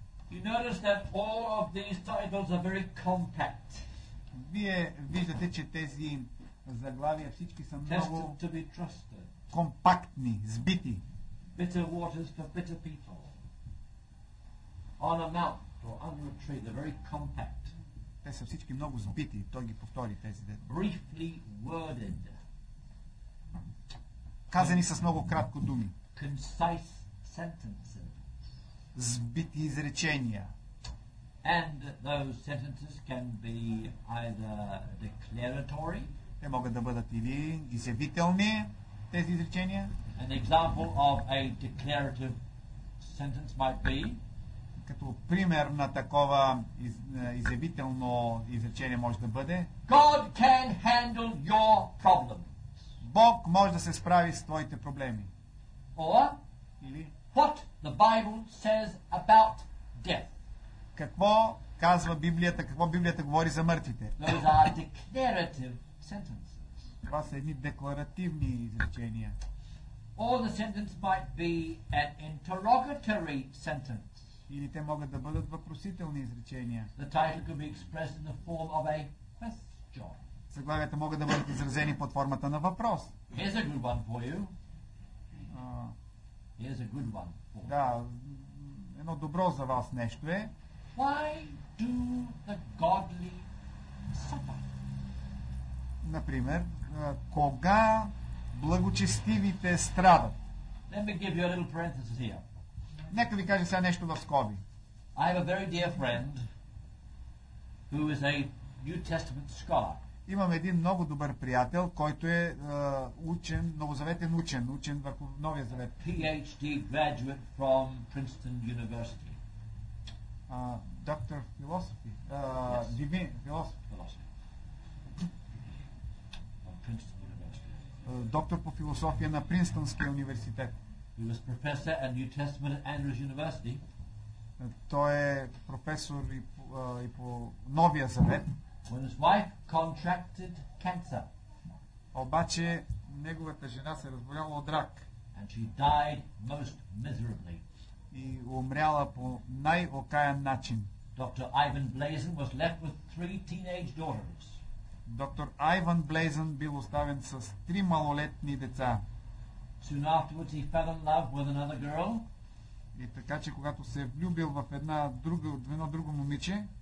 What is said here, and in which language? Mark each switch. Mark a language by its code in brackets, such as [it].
[en] You notice that all of these titles are very compact. [bg] Вие виждате, че тези заглавия всички са много [en] to be trusted. [bg] Компактни, сбити. [en] Bitter waters for bitter people. On a mount or under a tree, they're very compact. [bg] Те са всички много сбити, той ги повтори тези дет. [en] Briefly worded. [bg] Казани с много кратко думи. [en] Concise sentences. [bg] Сбити изречения. [en] And those sentences can be either declaratory. [bg] Те могат да бъдат или изявителни, тези изречения. [en] An example of a declarative sentence might be. [bg] Като пример на такова изявително изречение може да бъде [en] God can handle your problems. [bg] Бог може да се справи с твоите проблеми. [en] Or, [bg] или [en] what the Bible says about death. [bg] Какво казва Библията, какво Библията говори за мъртвите? [en] Those are declarative sentences. [bg] Това са едни декларативни изречения. [en] Or the sentence might be an interrogatory sentence. [bg] Или те могат да бъдат въпросителни изречения. [en] The title could be expressed in the form of a question. [bg] Заглавията могат да бъдат изразени под формата на въпрос. [en] Here's a good one for you. Here's a good one for you. [bg] Да, едно добро за вас нещо е. [en] Why do the godly suffer? [bg] Например, кога благочестивите страдат? [en] Let me give you a little parenthesis here. [bg] Нека ви кажа сега нещо в скоби. [en] I have a very dear friend who is a New Testament scholar. [bg] Имам един много добър приятел, който е учен, новозаветен учен, учен върху Новия Завет. [en] PhD graduate from Princeton University. Doctor of Philosophy. Philosophy. From Princeton University. [bg] доктор по философия на Принстонския университет. [en] He was professor at New Testament at Andrews University. [bg] Той е професор и по, и по Новия Завет. [en] When his wife contracted cancer. [bg] Обаче неговата жена се разболяла от рак. [en] And she died most miserably. [bg] И умряла по най-окаян начин. [en] Dr. Ivan Blazin was left with three teenage daughters. [bg] Доктор Айван Блейзен бил оставен с три малолетни деца. [en] Soon afterwards he fell in love with another girl. [bg] И така че когато се е влюбил в една друга, в едно друго момиче,